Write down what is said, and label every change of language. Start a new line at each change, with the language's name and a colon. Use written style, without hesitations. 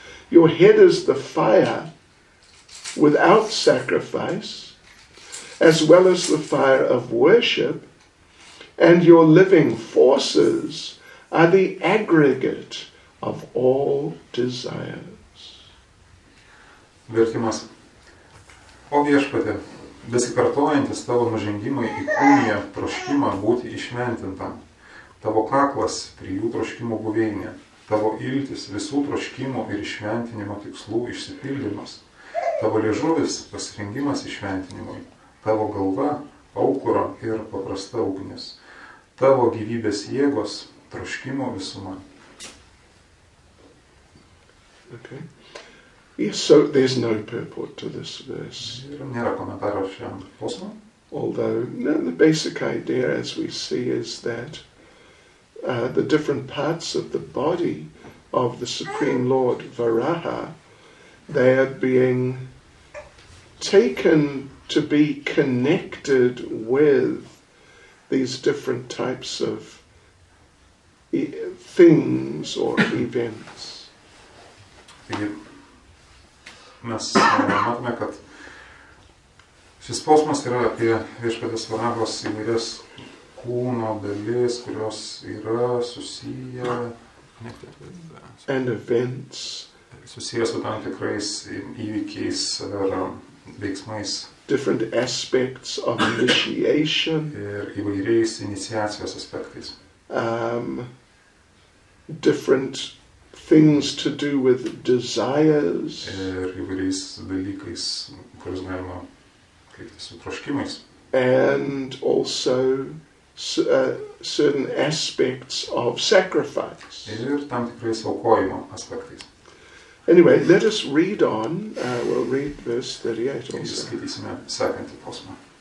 English: Your head is the fire without sacrifice, as well as the fire of worship, and your living forces are the aggregate of all desires.
Lithuanian: Vertimas. O viešpatė, besikartojantis tavo nužengimai į kūnyje troškimą būti išmentintam, tavo kaklas trijų troškimų buveinė, tavo iltis visų troškimų ir išmentinimo tikslų išsipildymas, tavo liežuvis pasirengimas išmentinimui, tavo galva aukuro ir paprasta ugnis, tavo gyvybės jėgos troškimo visuma.
English: Okay. Yes, so there's no purport to this verse.
Lithuanian: Nėra komentaro šiam posmui.
English: Although, no, the basic idea, as we see, is that the different parts of the body of the Supreme Lord Varaha, they are being taken to be connected with these different types of things or events.
Lithuanian: Mes matome, kad šis posmas yra apie viešpatės Varahos įvairias kūno dalis, kurios yra susiję
English: and events,
Lithuanian: susiję su tam tikrais įvykiais ar veiksmais,
English: different aspects of initiation,
Lithuanian: ir įvairiais iniciacijos aspektais,
English: different things to do with desires,
Lithuanian: ir įvairiais dalykais, kuriuos galima kreipti su troškimais,
English: and also certain aspects of sacrifice,
Lithuanian: ir tam tikrais aukojimo aspektais.
English: Anyway, let us read on. We'll read verse 38 also.
Lithuanian: Skaitysime sekantį posmą.